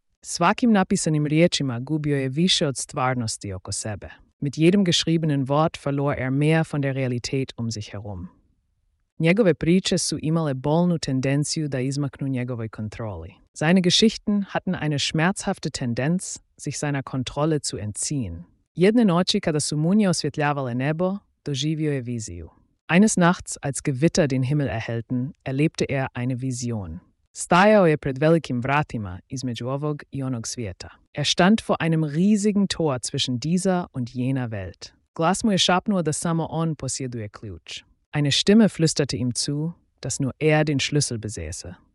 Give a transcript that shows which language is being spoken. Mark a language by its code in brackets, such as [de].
[hr] Svakim napisanim riječima gubio je više od stvarnosti oko sebe. [de] Mit jedem geschriebenen Wort verlor er mehr von der Realität um sich herum. [hr] Njegove priče su imale bolnu tendenciju da izmaknu njegovoj kontroli. [de] Seine Geschichten hatten eine schmerzhafte Tendenz, sich seiner Kontrolle zu entziehen. [hr] Jedne noći kada su munje osvjetljavale nebo, doživio je viziju. [de] Eines Nachts, als Gewitter den Himmel erhellten, erlebte er eine Vision. [hr] Stajao je pred velikim vratima između ovog i onog svijeta. [de] Er stand vor einem riesigen Tor zwischen dieser und jener Welt. [hr] Glas mu je šapnuo da samo on posjeduje ključ. [de] Eine Stimme flüsterte ihm zu, dass nur er den Schlüssel besäße.